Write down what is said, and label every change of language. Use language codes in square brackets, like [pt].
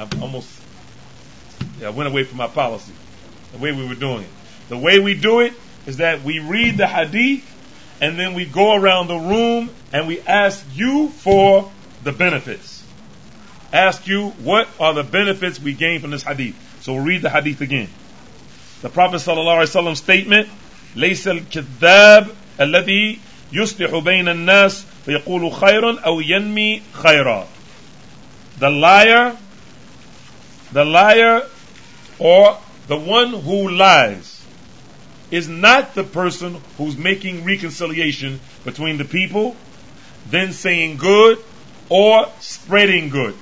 [en] I went away from my policy, the way we were doing it. The way we do it is that we read the hadith and then we go around the room and we ask you for the benefits. Ask you, what are the benefits we gain from this hadith? So we'll read the hadith again. The Prophet sallallahu alaihi wasallam statement, [ar] لَيْسَ الْكِذَّابُ الَّذِي يُسْلِحُ بَيْنَ النَّاسِ فَيَقُولُ خَيْرٌ أَوْ يَنْمِي خَيْرًا. [en] The liar, or the one who lies, is not the person who's making reconciliation between the people, then saying good, or spreading good.